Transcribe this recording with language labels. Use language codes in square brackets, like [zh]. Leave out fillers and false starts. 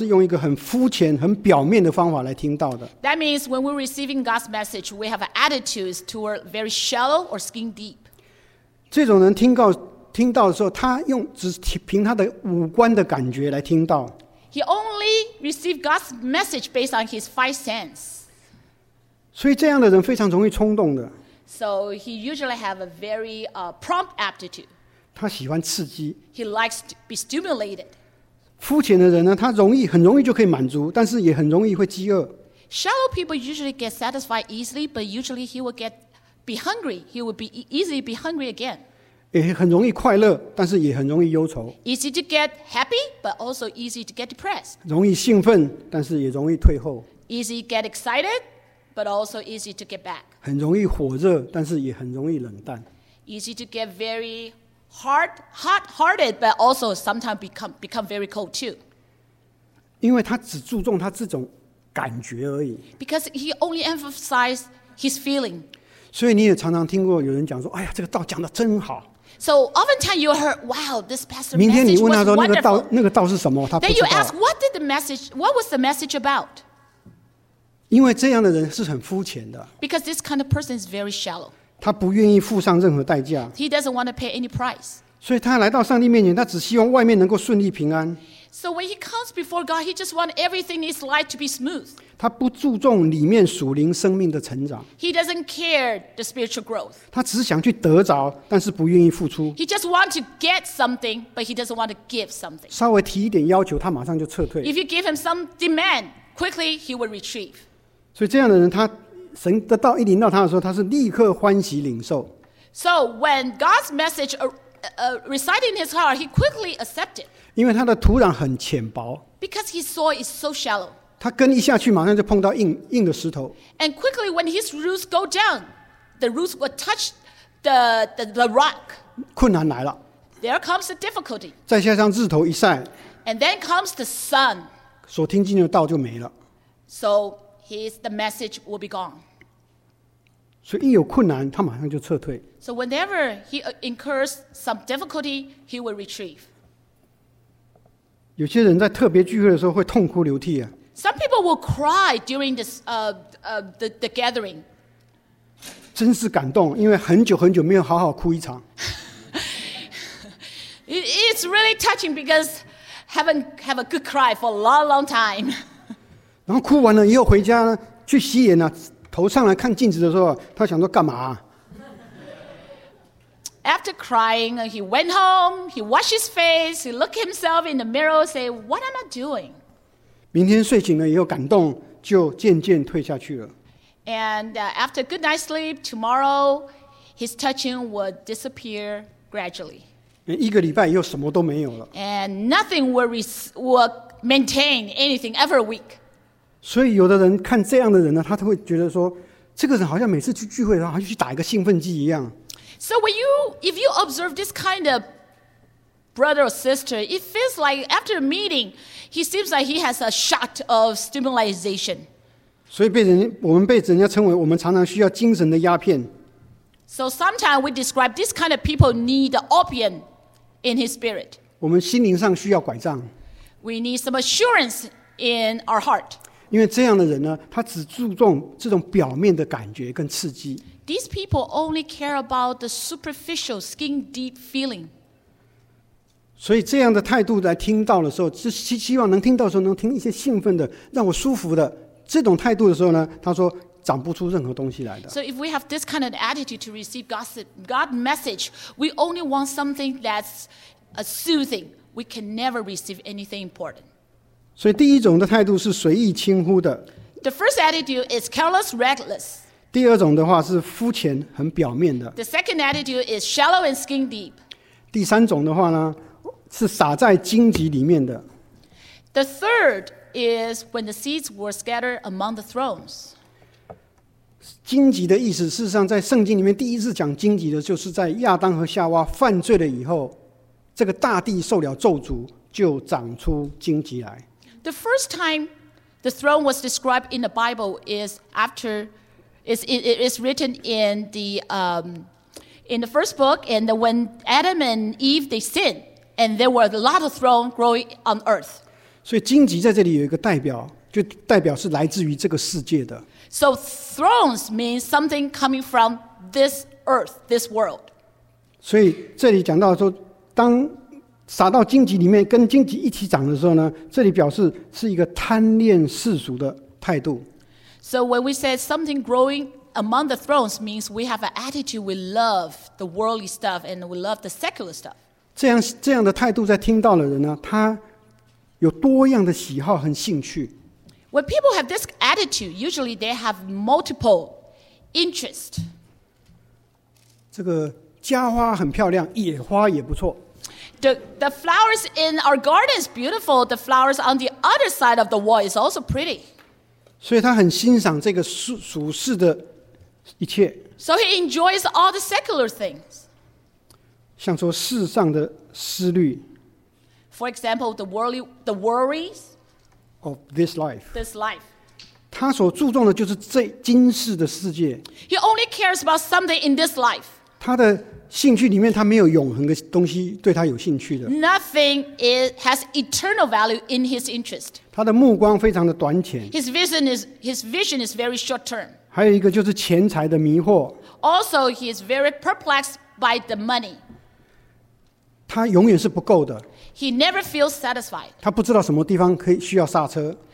[zh] 就是表示我们一个人在听到的时候，他是用一个很肤浅、很表面的方法来听到的。 [en] That means when we're receiving God's message, we have attitudes toward very shallow or skin deep. [zh] 这种人听到的时候，他用只凭他的五官的感觉来听到。 [en] He only received God's message based on his five senses. [zh] 所以这样的人非常容易冲动的。 [en] So he usually have a very prompt aptitude. [zh] 他喜欢刺激。 [en] He likes to be stimulated. [zh] 肤浅的人呢，他容易很容易就可以满足，但是也很容易会饥饿。 [en] Shallow people usually get satisfied easily, but usually he will be hungry. He will be easily be hungry again. [zh] 也很容易快乐，但是也很容易忧愁。 [en] Easy to get happy, but also easy to get depressed. [zh] 容易兴奋，但是也容易退后。 [en] Easy get excited, but also easy to get back. [zh] 很容易火热，但是也很容易冷淡。 [en] Easy to get very hot-hearted, but also sometimes become very cold too. [zh] 因为他只注重他这种感觉而已。 [en] Because he only emphasized his feeling. [zh] 所以你也常常听过有人讲说，哎呀，这个道讲的真好。 [en] So oftentimes you heard, wow, this pastor's message was wonderful. [zh] 那个道是什么? [en] Then you ask, what was the message about? [zh] 因为这样的人是很肤浅的。 [en] Because this kind of person is very shallow. [zh] 他不愿意付上任何代价。 [en] He doesn't want to pay any price. [zh] 所以他来到上帝面前，他只希望外面能够顺利平安。 [en] So when he comes before God, he just wants everything in his life to be smooth. [zh] 他不注重里面属灵生命的成长。 [en] He doesn't care the spiritual growth. [zh] 他只是想去得着，但是不愿意付出。 [en] He just wants to get something, but he doesn't want to give something. [zh] 稍微提一点要求，他马上就撤退。 [en] If you give him some demand, quickly he will retreat. [zh] 所以这样的人，他神的道一临到他的时候，他是立刻欢喜领受。 [en] So when God's message reciting his heart, he quickly accepted. [zh] 因为他的土壤很浅薄。 [en] Because his soil is so shallow. [zh] 他根一下去，马上就碰到硬的石头。 [en] And quickly, when his roots go down, the roots will touch the rock. [zh] 困难来了。 [en] There comes the difficulty. [zh] 再加上日头一晒。 [en] And then comes the sun. [zh] 所听进的道就没了。 [en] So the message will be gone. [zh] 所以一有困难，他马上就撤退。 [en] So whenever he incurs some difficulty, he will retreat. [zh] 有些人在特别聚会的时候会痛哭流涕啊。 [en] Some people will cry during this the gathering. [zh] 真是感动，因为很久很久没有好好哭一场。 [en] It's really touching because haven't have a good cry for a long, long time. [zh] 然后哭完了以后回家呢，去洗脸呢。头上来看镜子的时候，他想说干嘛 [en] ？After crying, he went home. He washed his face. He looked himself in the mirror. Say, "What am I doing?" [zh] 明天睡醒了以后，感动就渐渐退下去了。 [en] And after good night's sleep, tomorrow, his touching would disappear gradually. [zh] 一个礼拜又什么都没有了。 [en] And nothing will maintain anything ever a week. [zh] 所以有的人看这样的人呢，他都会觉得说，这个人好像每次去聚会，然后就去打一个兴奋剂一样。 [en] So when you, if you observe this kind of brother or sister, it feels like after a meeting, he seems like he has a shot of stimulation. [zh] 所以我们被人家称为我们常常需要精神的鸦片。 [en] So sometimes we describe this kind of people need opium in his spirit. [zh] 我们心灵上需要拐杖。 [en] We need some assurance in our heart. [zh] 因为这样的人呢，他只注重这种表面的感觉跟刺激。 [en] These people only care about the superficial, skin deep feeling. [zh] 所以这样的态度来听到的时候，是希望能听到的时候能听一些兴奋的，让我舒服的这种态度的时候呢，他说长不出任何东西来的。 [en] So if we have this kind of attitude to receive God's message, we only want something that's a soothing. We can never receive anything important. [zh] 所以第一种的态度是随意轻忽的。 [en] The first attitude is careless, reckless. [zh] 第二种的话是肤浅，很表面的。 [en] The second attitude is shallow and skin deep. [zh] 第三种的话呢，是撒在荆棘里面的。 [en] The third is when the seeds were scattered among the thorns. [zh] 荆棘的意思，事实上在圣经里面第一次讲荆棘的，就是在亚当和夏娃犯罪了以后，这个大地受了咒诅，就长出荆棘来。 [en] The first time the throne was described in the Bible is written in the first book, and when Adam and Eve they sinned, and there were a lot of throne growing on earth. [zh] 所以荆棘在这里有一个代表，就代表是来自于这个世界的。 [en] So thrones means something coming from this earth, this world. [zh] 所以这里讲到说，当撒到荆棘里面，跟荆棘一起长的时候呢，这里表示是一个贪恋世俗的态度。 [en] So when we say something growing among the thorns means we have an attitude, we love the worldly stuff and we love the secular stuff. [zh] 这样的态度在听到的人呢，他有多样的喜好和兴趣。 [en] When people have this attitude, usually they have multiple interest. [zh] 这个家花很漂亮，野花也不错。 [en] The flowers in our garden is beautiful. The flowers on the other side of the wall is also pretty. [zh] 所以他很欣赏这个俗世的一切。 [en] So he enjoys all the secular things. [zh] 像说世上的思虑。 [en] For example, the worries of this life. This life. [zh] 他所注重的就是这今世的世界。 [en] He only cares about something in this life. [zh] 他的兴趣里面，他没有永恒的东西对他有兴趣的。 [en] Nothing has eternal value in his interest. [zh] 他的目光非常的短浅。 [en] His vision is very short term. [zh] 还有一个就是钱财的迷惑。 [en] Also, he is very perplexed by the money. [zh] 他永远是不够的。 [en] He never feels satisfied. [zh] 他不知道什么地方可以需要刹车。